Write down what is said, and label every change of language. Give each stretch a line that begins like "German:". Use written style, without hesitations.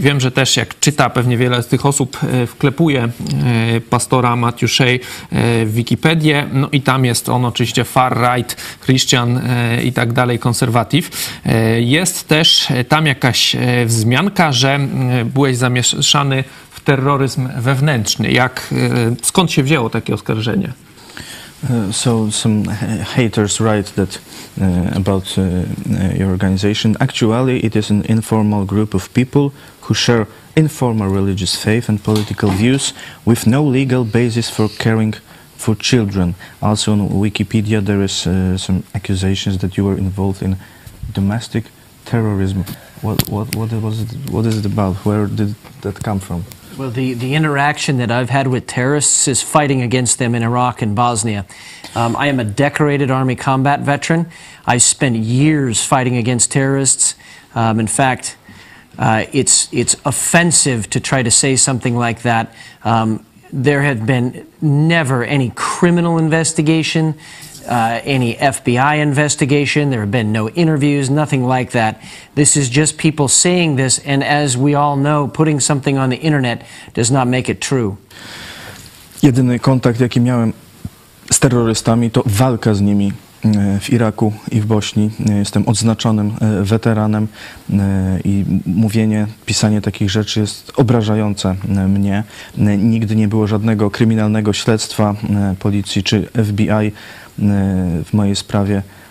Polish: Wiem, że też jak czyta pewnie wiele z tych osób, wklepuje pastora Matthew Shea w Wikipedię, no i tam jest on oczywiście
English: far right, Christian
Polish: i tak dalej, konserwatyw. Jest też tam jakaś wzmianka, że byłeś zamieszany w terroryzm wewnętrzny. Jak, skąd się wzięło takie oskarżenie?
English: So some haters write that about your organization. Actually, it is an informal group of people who share informal religious faith and political views with no legal basis for caring for children. Also on Wikipedia there is some accusations that you were involved in domestic terrorism. What is it about? Where did that come from? Well, the interaction that I've had with terrorists is fighting against them in Iraq and Bosnia. I am a decorated Army combat veteran. I spent years fighting against terrorists. In fact, it's offensive to try to say something like that. There have been never any criminal investigation, any FBI investigation. There have been no interviews, nothing like that. This is just people saying this, and as we all know, putting something on the internet does not make it true.
Polish: Jedyny kontakt, jaki miałem z terrorystami, to walka z nimi w Iraku i w Bośni. Jestem odznaczonym weteranem i mówienie, pisanie takich rzeczy jest obrażające mnie. Nigdy nie było żadnego kryminalnego śledztwa policji czy FBI w mojej sprawie.